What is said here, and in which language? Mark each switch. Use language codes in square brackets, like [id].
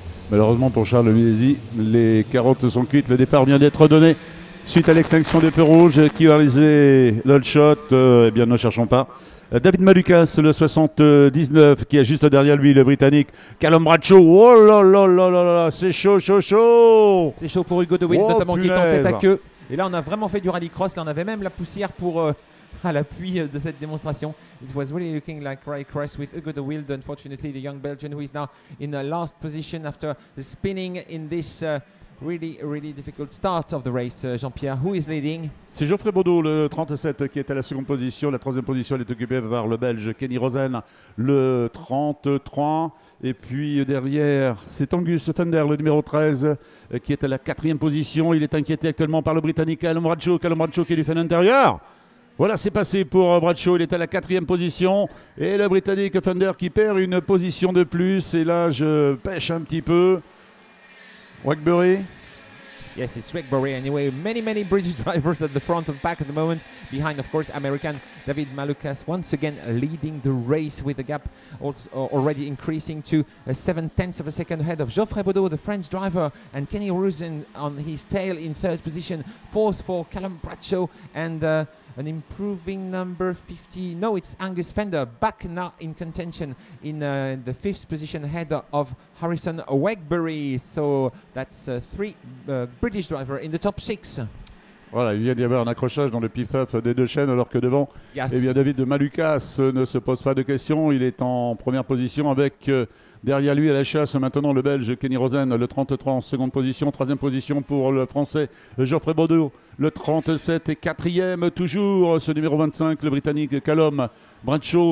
[fr] Malheureusement pour Charles Milesi, les carottes sont cuites. Le départ vient d'être donné suite à l'extinction des feux rouges qui va réaliser l'all-shot. Eh bien, ne cherchons pas. David Malukas, le 79, qui est juste derrière lui, le Britannique. Callum Bradshaw, oh là là là là là, c'est chaud. C'est chaud pour Hugo de Wynne, oh, notamment, punaise, qui est en tête à queue. Et là, on a vraiment fait du rallycross. Là, on avait même la poussière pour... à l'appui de cette démonstration. [en] It was really looking like Ray Crest with Hugo de Wilde. Unfortunately, the young Belgian who is now in the last position after the spinning in this really, really difficult start of the race. Jean-Pierre, who is leading? [fr] C'est Geoffrey Baudou, le 37, qui est à la seconde position. La troisième position, elle est occupée par le Belge Kenny Rosen, le 33. Et puis derrière, c'est Angus Fender, le numéro 13, qui est à la quatrième position. Il est inquiété actuellement par le Britannique Callum Bradshaw. Callum Bradshaw qui lui fait l'intérieur. Voilà, c'est passé pour Bradshaw, il est à la quatrième position. Et le Britannique Fender qui perd une position de plus. Et là, je pêche un petit peu. Wakebury. [en] Yes, it's Wakebury anyway. Many, many British drivers at the front and back at the moment. Behind, of course, American David Malukas once again leading the race with a gap already increasing to 7/10 of a second ahead of Geoffrey Baudot, the French driver, and Kenny Rosen on his tail in third position. Fourth for Callum Bradshaw and... an improving number 50. No, it's Angus Fender back now in contention in the fifth position ahead of Harrison Wakebury. So that's three British drivers in the top six. [fr] Voilà, il vient d'y avoir un accrochage dans le pif-paf des deux chaînes, alors que devant, yes, eh bien David Malukas ne se pose pas de questions. Il est en première position avec derrière lui à la chasse maintenant le Belge Kenny Rosen, le 33 en seconde position. Troisième position pour le Français Geoffrey Baudot, le 37, et quatrième toujours ce numéro 25, le Britannique Callum Bradshaw.